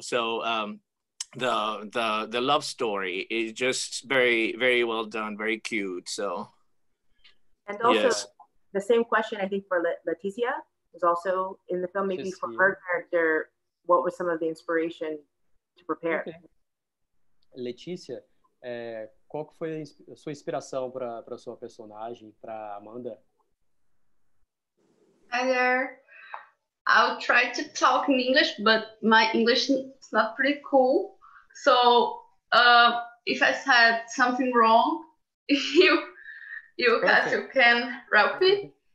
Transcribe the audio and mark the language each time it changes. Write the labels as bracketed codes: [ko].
[en] So the love story is just very, very well done, very cute. So, and also yes. The same question I think for Letícia was also in the film, maybe just for her character, what was some of the inspiration to prepare? Okay. [pt] Letícia, qual que foi a sua inspiração para sua personagem, para Amanda? [en] Hi there. I'll try to talk in English, but my English is not pretty cool. So if I said something wrong, you guys, you can help me.